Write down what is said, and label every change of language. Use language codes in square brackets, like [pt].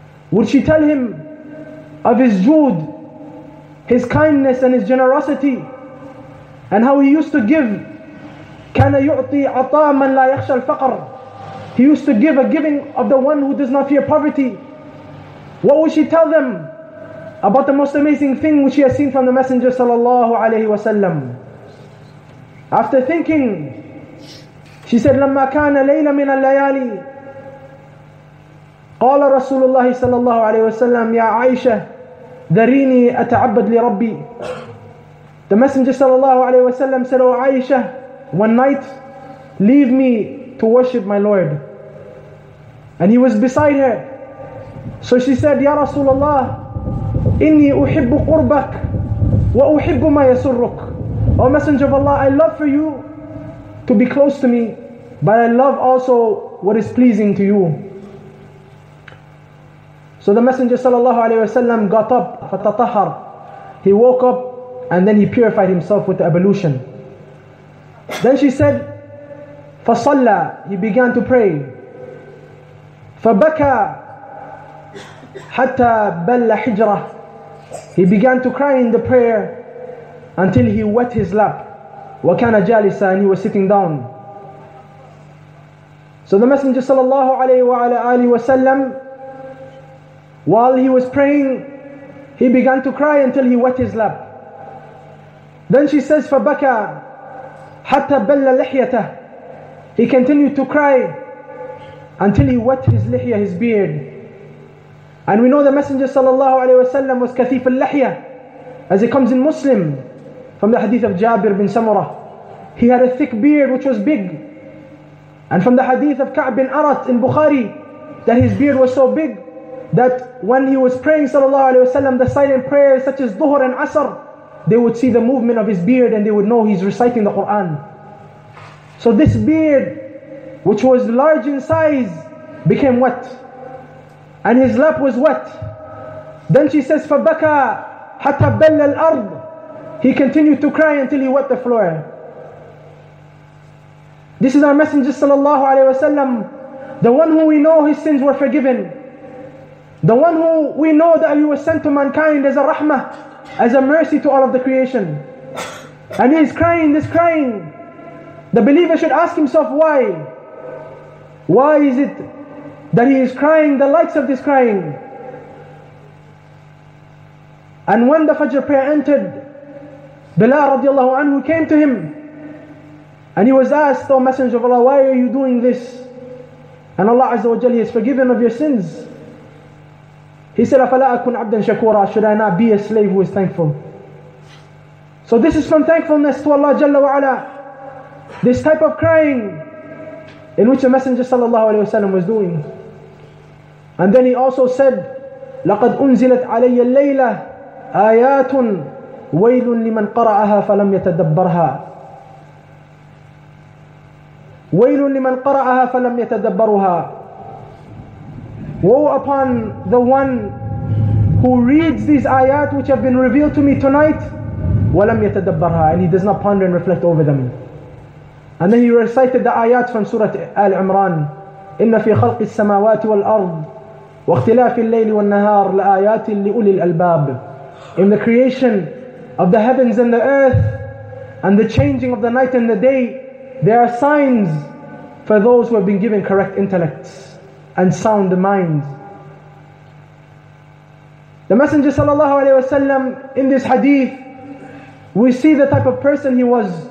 [en] Would she tell him of his jood, his kindness and his generosity, and how he used to give? [ar] كَانَ يُعْطِي عَطَى مَنْ لَا يَخْشَى الْفَقْرِ. [en] He used to give a giving of the one who does not fear poverty. What would she tell them about the most amazing thing which she has seen from the Messenger sallallahu alayhi wa sallam? After thinking, she said, [ar] لَمَّا كَانَ لَيْلَ مِنَ اللَّيَالِي قَالَ رَسُولُ اللَّهِ صَلَى اللَّهُ عَلَيْهِ وَسَلَّمُ يَا عَيْشَةَ ذَرِينِي أَتَعَبَّدْ لِرَبِّي. [en] The Messenger sallallahu alayhi wasallam said, oh Aisha, one night, leave me to worship my Lord. And he was beside her. [ar] So she said, يَا رَسُولَ اللَّهِ إِنِّي أُحِبُّ قُرْبَكْ وَأُحِبُّ مَا يَسُرُّكْ. [en] Oh Messenger of Allah, I love for you to be close to me, but I love also what is pleasing to you. So the Messenger sallallahu alayhi wa sallam got up, fatatahhar. He woke up and then he purified himself with the ablution. Then she said, fasalla, he began to pray. [ar] Fabaka hatta balla hijra, [en] he began to cry in the prayer until he wet his lap. [ar] وَكَانَ جَالِسًا, [en] and he was sitting down. So the Messenger sallallahu alayhi wa alayhi wa sallam, while he was praying, he began to cry until he wet his lap. Then she says, [ar] فَبَكَى حَتَّى بَلَّ لِحْيَتَهُ. [en] He continued to cry until he wet his lihya, his beard. And we know the Messenger sallallahu alayhi wa sallam was [ar] كثيف اللحية, [en] as it comes in Muslim, from the hadith of Jabir bin Samurah. He had a thick beard which was big. And from the hadith of Ka'b bin Arat in Bukhari, that his beard was so big that when he was praying sallallahu alayhi wa sallam, the silent prayers such as Dhuhr and Asr, they would see the movement of his beard and they would know he's reciting the Quran. So this beard, which was large in size, became wet. And his lap was wet. Then she says, [ar] فَبَكَى حَتَّى بَلَّ الْأَرْضِ. [en] He continued to cry until he wet the floor. This is our Messenger sallallahu alayhi wa sallam, the one who we know his sins were forgiven. The one who we know that he was sent to mankind as a rahmah, as a mercy to all of the creation. And he is crying, this crying. The believer should ask himself why. Why is it that he is crying, the likes of this crying? And when the Fajr prayer entered, Bilal radiallahu anhu came to him. And he was asked, O Messenger of Allah, why are you doing this? And Allah Azza wa Jalla has forgiven of your sins. He said, [ar] أَفَلَا أَكُنْ عَبْدًا شَكُورًا. [en] Should I not be a slave who is thankful? So this is from thankfulness to Allah Jalla wa Ala. This type of crying in which the Messenger sallallahu alayhi wa sallam was doing. And then he also said, [ar] لَقَدْ أُنزِلَتْ عَلَيَّ اللَّيْلَةِ آيَاتٌ وَيْلٌ لِمَنْ قَرَأَهَا فَلَمْ يَتَدَبَّرْهَا. وَيْلٌ لِمَنْ قَرَأَهَا فَلَمْ يَتَدَبَّرُهَا. [en] Woe upon the one who reads these ayat which have been revealed to me tonight, [ar] وَلَمْ يَتَدَبَّرْهَا, [en] and he does not ponder and reflect over them. And then he recited the ayat from Surah Al-Imran, [ar] إِنَّ فِي خَلْقِ السَّمَاوَاتِ وَالْأَرْضِ وَاخْتِلَافِ اللَّيْلِ وَالنَّهَارِ لَآيَاتٍ لِأُولِي الْأَلْبَابِ. [en] In the creation of the heavens and the earth and the changing of the night and the day, there are signs for those who have been given correct intellects and sound minds. The Messenger sallallahu alayhi wasallam, in this hadith, we see the type of person he was.